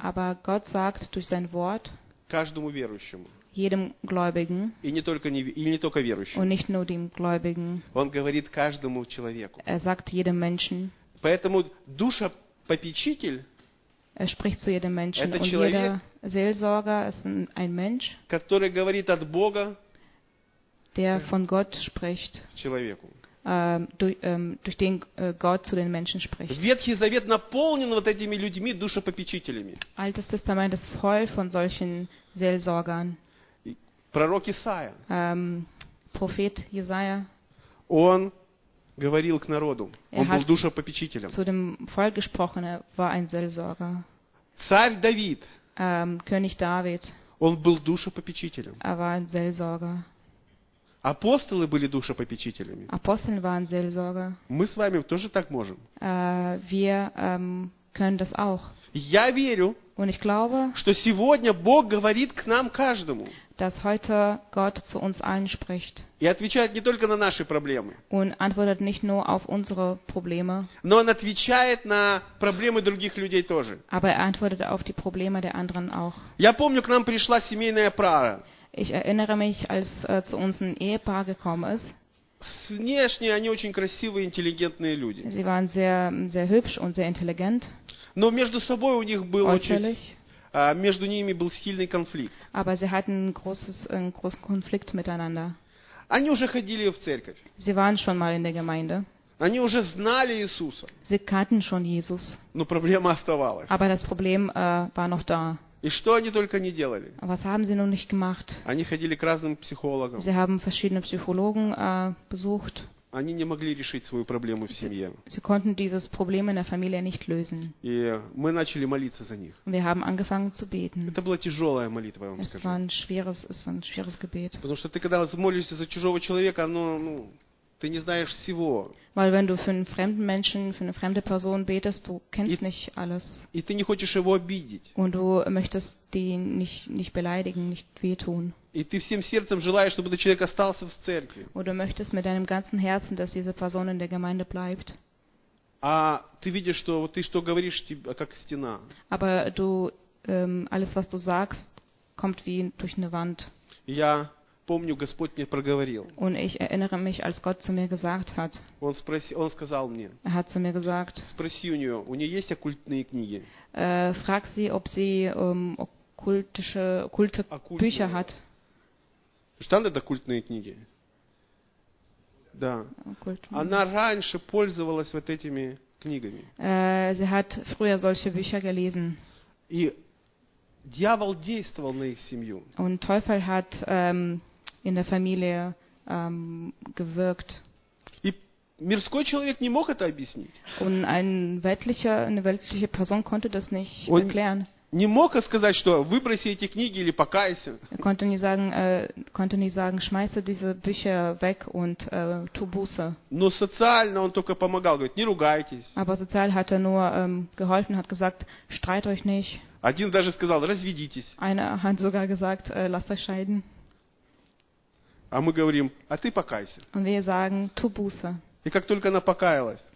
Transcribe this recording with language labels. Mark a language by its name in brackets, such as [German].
[German] Aber Gott sagt durch sein Wort. [Russian] Каждому верующему. [German] jedem Gläubigen und nicht nur dem Gläubigen. [Russian] Он говорит каждому человеку. [German] Er sagt jedem Menschen. [Russian] Поэтому душа-попечитель, [German] er spricht zu jedem Menschen. [Russian] Это [German] und [Russian] человек, [German] jeder Seelsorger ist ein Mensch, [Russian] который говорит от Бога, [German] der von Gott spricht. [Russian] Человеку. [German] Durch den Gott zu den Menschen spricht. [Russian] Ветхий Завет наполнен вот этими людьми, душепопечителями. [German] Altes Testament ist voll von solchen Seelsorgern. [Russian] Пророк Исаия. [German] Prophet Jesaja. [Russian] Он говорил к народу. Он был душепопечителем. [German] Zu dem Volk gesprochen, er war ein Seelsorger. [Russian] Царь Давид. [German] König David. [Russian] Он был душепопечителем. [German] Er war ein Seelsorger. [Russian] Апостолы были душепопечителями. Апостолы [German] waren Seelsorger. [Russian] Мы с вами тоже так можем. [German] Wir können das auch. [Russian] Я верю, [German] und ich glaube, [Russian] что сегодня Бог говорит к нам каждому. [German] Dass heute Gott zu uns allen spricht. [Russian] И отвечает не только на наши проблемы. [German] Und antwortet nicht nur auf unsere Probleme. [Russian] Но он отвечает на проблемы других людей тоже. [German] Aber er antwortet auf die Probleme der anderen auch. [Russian] Я помню, к нам пришла семейная пара. [German] Ich erinnere mich, als zu uns ein Ehepaar gekommen ist. [Russian] Внешне они очень красивые, интеллигентные люди. [German] Sie waren sehr, sehr hübsch und sehr intelligent. [Russian] Но между собой у них был между ними был сильный конфликт. [German] Aber sie hatten einen großen Konflikt miteinander. [Russian] Они уже ходили в церковь. [German] Sie waren schon mal in der Gemeinde. [Russian] Они уже знали Иисуса. [German] Sie kannten schon Jesus. [Russian] Но проблема оставалась. [German] Aber das Problem war noch da. [Russian] И что они только не делали? [German] Was haben sie noch nicht gemacht? [Russian] Они ходили к разным психологам. [German] Sie haben verschiedene Psychologen besucht. [Russian] Они не могли решить свою проблему в семье. [German] Sie konnten dieses Problem in der Familie nicht lösen. [Russian] И мы начали молиться за них. [German] Wir haben angefangen zu beten. [Russian] Это была тяжелая молитва, я вам скажу. [German] Es war ein schweres Gebet. [Russian] Потому что ты когда молишься за чужого человека, оно ты не знаешь всего. [German] Weil wenn du für einen fremden Menschen, für eine fremde Person betest, du kennst nicht alles. [Russian] И ты не хочешь его обидеть. [German] Und du möchtest den nicht beleidigen, nicht wehtun. [Russian] И ты всем сердцем желаешь, чтобы этот человек остался в церкви. [German] Und du möchtest mit deinem ganzen Herzen, dass diese Person in der Gemeinde bleibt. [Russian] А ты видишь, что вот ты что говоришь, как стена. [German] Aber du alles, was du sagst, kommt wie durch eine Wand. [Russian] Я помню, Господь мне проговорил. [German] Und ich erinnere mich, als Gott zu mir gesagt hat. [Russian] Он сказал мне. [German] Er hat zu mir gesagt. [Russian] Спроси у нее есть оккультные книги? [German] Frag sie, ob sie [Russian] оккульте [German] Bücher hat. Standen [Russian] оккультные книги? Да. Она раньше пользовалась вот этими книгами. [German] Sie hat früher solche Bücher gelesen. [Russian] И дьявол действовал на их семью. [German] Und Teufel hat in der Familie gewirkt. [Russian] И мирской человек не мог это объяснить. [German] Und eine weltliche Person konnte das nicht erklären. [Russian] Не мог сказать, что выброси эти книги или покайся. [German] Konnte nicht sagen, schmeiße diese Bücher weg und tu Buße. [Russian] Но социально он только помогал, говорит, не ругайтесь. [German] Aber sozial hat er nur geholfen, hat gesagt, streit euch nicht. [Russian] Один даже сказал, разведитесь. [German] Einer hat sogar gesagt, lasst euch scheiden. [Russian] А мы говорим, а ты покайся. [German] Und wir sagen, tu Buße. [Russian] И как только она покаялась,